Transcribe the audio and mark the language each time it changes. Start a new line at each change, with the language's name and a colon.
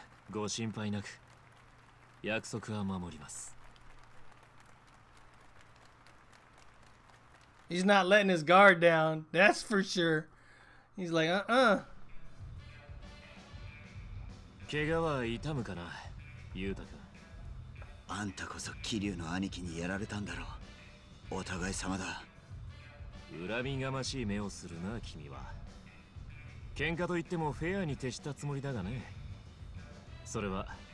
Japanese: ご心配なく、約束は守ります。
English: He's not letting his guard down, that's for sure. He's like,
Japanese: 怪我は痛むかな、ユータ君。あんたこそ桐生の兄貴にやられたんだろう。お互い様だ。恨みがましい目をするな、君は。喧嘩といってもフェアに徹したつもりだがね。それは。